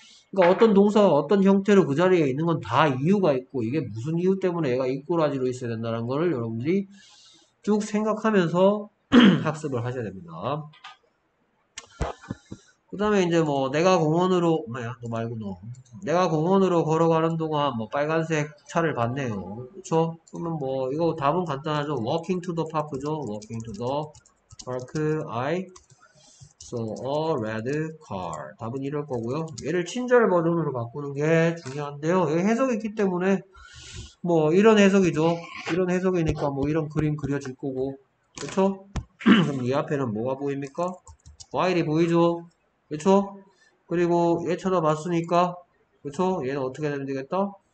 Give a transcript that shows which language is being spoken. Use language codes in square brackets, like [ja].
[ko] 그러니까 어떤 동사가 어떤 형태로 그 자리에 있는 건다 이유가 있고 이게 무슨 이유 때문에 얘가 이꼬라지로 있어야 된다는 거를 여러분들이 쭉 생각하면서 학습을 하셔야 됩니다. 그 다음에 이제 뭐 내가 공원으로 뭐야 너 말고 너 내가 공원으로 걸어가는 동안 뭐 빨간색 차를 봤네요. 그쵸? 그러면 뭐 이거 답은 간단하죠. [en] Walking to the park죠. Walking to the park I saw a red car. [ko] 답은 이럴 거고요. 얘를 친절 버전으로 바꾸는 게 중요한데요. 얘 해석이 있기 때문에 뭐 이런 해석이죠. 이런 해석이니까 뭐 이런 그림 그려질 거고. 그쵸? 그럼 이 앞에는 뭐가 보입니까? While이 보이죠? 그쵸? 그리고 얘 쳐다봤으니까, 그쵸? 얘는 어떻게 되면 되겠다?